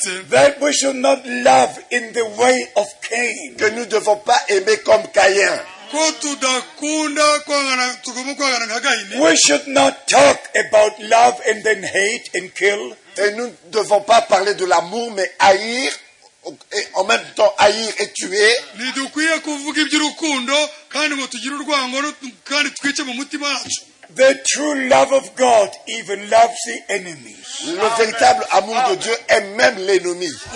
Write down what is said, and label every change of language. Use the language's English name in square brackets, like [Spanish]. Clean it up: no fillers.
[English] that we should not love in the way of Cain. [French] Que nous ne devons pas aimer comme Caïn. [English] We should not talk about love and then hate and kill. [French] Et nous ne devons pas parler de l'amour mais haïr. Et en même temps haïr et tuer. [English] The true love of God even loves the enemies. [French] Le véritable amour de Dieu aime même l'ennemi.